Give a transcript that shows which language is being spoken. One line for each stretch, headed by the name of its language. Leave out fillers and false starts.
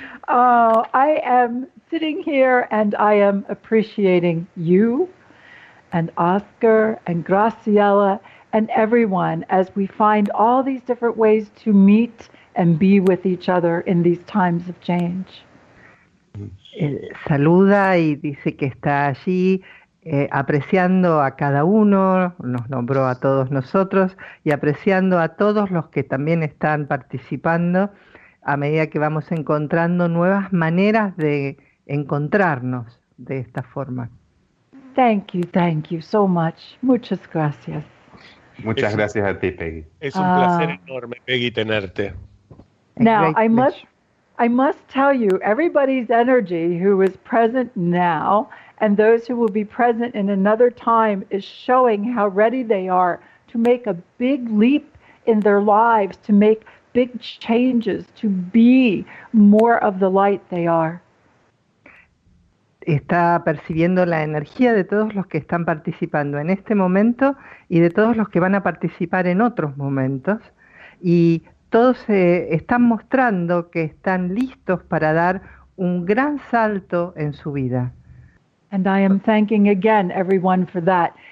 English: Oh, I am sitting here and I am appreciating you and Oscar and Graciela and everyone as we find all these different ways to meet and be with each other in these times of change.
Spanish: Saluda y dice que está allí. Apreciando a cada uno, nos nombró a todos nosotros, y apreciando a todos los que también están participando a medida que vamos encontrando nuevas maneras de encontrarnos de esta forma.
English: Thank you so much.
Spanish: Muchas gracias. Muchas gracias a ti, Peggy. Es un placer enorme, Peggy, tenerte.
English: Now, I must tell you, everybody's energy who is present now and those who will be present in another time is showing how ready they are to make a big leap in their lives, to make big changes, to be more of the light they are.
Spanish: Está percibiendo la energía de todos los que están participando en este momento y de todos los que van a participar en otros momentos. Y todos están mostrando que están listos para dar un gran salto en su vida.
English: And I am thanking again everyone for that.